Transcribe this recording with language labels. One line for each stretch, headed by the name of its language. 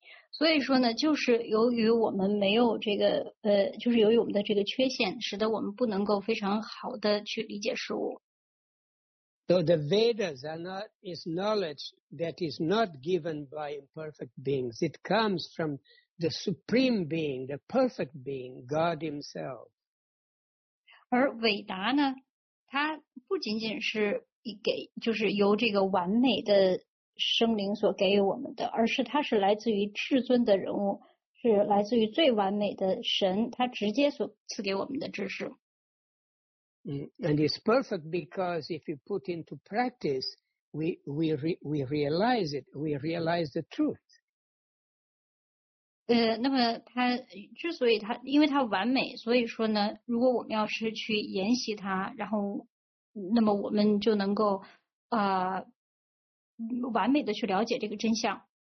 Chinese: 所以说呢，就是由于我们没有这个就是由于我们的这个缺陷，使得我们不能够非常好的去理解事物。
English: So the Vedas is knowledge that is not given by imperfect beings. It comes from the supreme being, the perfect being, God Himself.
Chinese: 而韦达呢，它不仅仅是给，就是由这个完美的生灵所给予我们的，而是它是来自于至尊的人物，是来自于最完美的神，他直接所赐给我们的知识。
English: And it's perfect because if you put into practice, we realize the truth.
Chinese: 那么它之所以它因为它完美，所以说呢，如果我们要是去研习它，然后那么我们就能够完美的去了解这个真相。